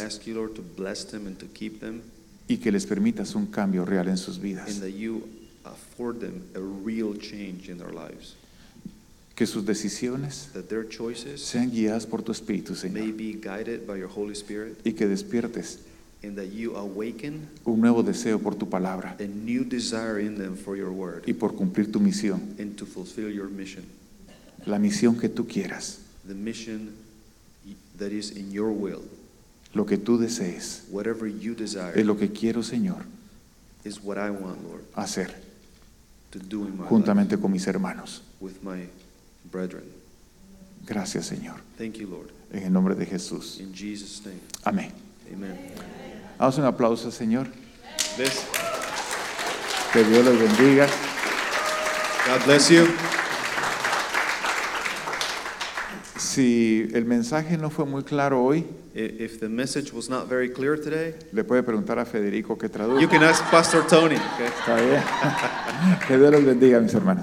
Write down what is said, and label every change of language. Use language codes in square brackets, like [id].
[en] I ask you, Lord, to bless them and to keep them. [es] Y que les permitas un cambio real en sus vidas. [en] And that you afford them a real change in their lives. [es] Que sus decisiones, [en] that their choices, [es] sean guiadas por tu Espíritu, Señor. [en] May be guided by your Holy Spirit. [es] Y que despiertes. [en] And that you awaken [es] un nuevo deseo por tu palabra, [en] a new desire in them for your word, [es] y por cumplir tu misión, [en] and to fulfill your mission, [es] la misión que tú quieras, [en] the mission that is in your will, [es] lo que tú desees, [en] whatever you desire, [es] es lo que quiero, Señor, [en] is what I want, Lord, [es] hacer, [en] to do in my life, [es] juntamente con mis hermanos, [en] with my brethren. [es] Gracias, Señor. [en] Thank you, Lord. [es] En el nombre de Jesús. [en] In Jesus' name. [es] Amén. [en] Amen. [es] Damos un aplauso al Señor. [en] Bless. [es] Que Dios los bendiga. [en] God bless you. [es] Si el mensaje no fue muy claro hoy, [en] if the message was not very clear today, [es] le puede preguntar a Federico que traduzca. [en] You can ask Pastor Tony. [es] Okay. Está bien. Que Dios los bendiga, mis hermanos.